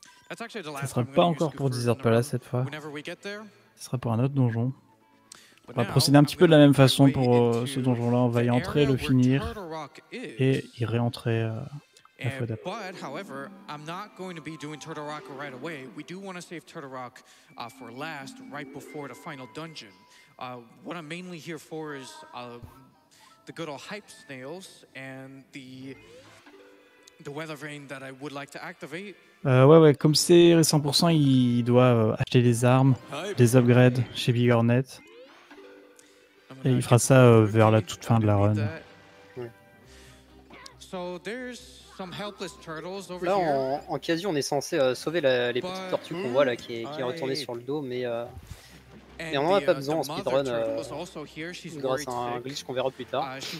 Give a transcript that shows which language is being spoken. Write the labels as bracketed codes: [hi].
[fr] Ça sera pas encore pour Desert Palace cette fois. Ce sera pour un autre donjon. On va procéder un petit peu de la même façon pour ce donjon-là. On va y entrer, le finir et y réentrer. [en] But however, I'm not going to be doing Turtle Rock right away. We do want to save Turtle Rock for last, right before the final dungeon. What I'm mainly here for is the good old hype snails and the weather vane that I would like to activate. [fr] Ouais, comme c'est 100%, il doit acheter des armes, des upgrades chez Big Hornet. Et il fera ça vers la toute fin de la run. [en] So there's some helpless turtles over [fr] là, en quasi, on est censé sauver les petites tortues qu'on voit là, qui est retournée sur le dos, mais on n'en a pas besoin en speedrun, grâce à un glitch qu'on verra plus tard.